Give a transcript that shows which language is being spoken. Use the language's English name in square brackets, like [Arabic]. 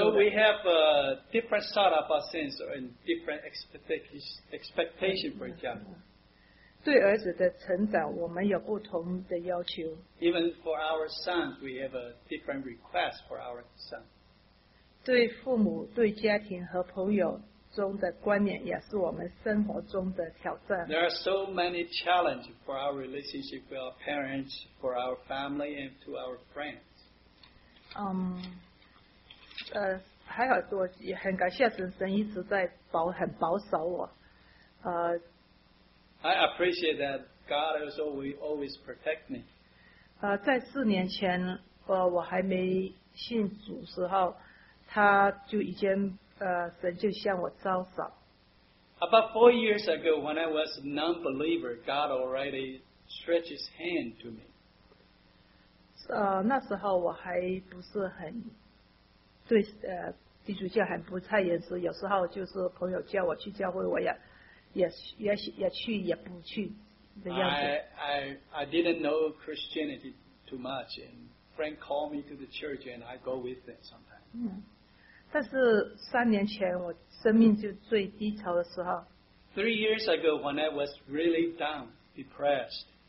[English] So we have a different sort of our sense and different expectation for each other. [Chinese] 对儿子的成长我们有不同的要求。 [English] Even for our sons, we have a different request for our sons. [Chinese] 对父母对家庭和朋友, [English] there are so many challenges for our relationship with our parents, for our family, and to our friends. [Chinese] 还好我也很感谢神神一直在保守我。 [English] I appreciate that God has always protect me. [Chinese] 在4年前我还没信主时候，他就已经神就向我招手。 [English] About 4 years ago, when I was a non-believer, God already stretched His hand to me. [Chinese] 那时候我还不是很对地主教还不太严肃，有时候就是朋友叫我去教会，我也去也不去的样子。 [English] I didn't know Christianity too much, and Frank called me to the church, and I go with it sometimes. [Chinese] 但是三年前我生命就最低潮的时候。 [English] 3 years ago, when I was really down, depressed.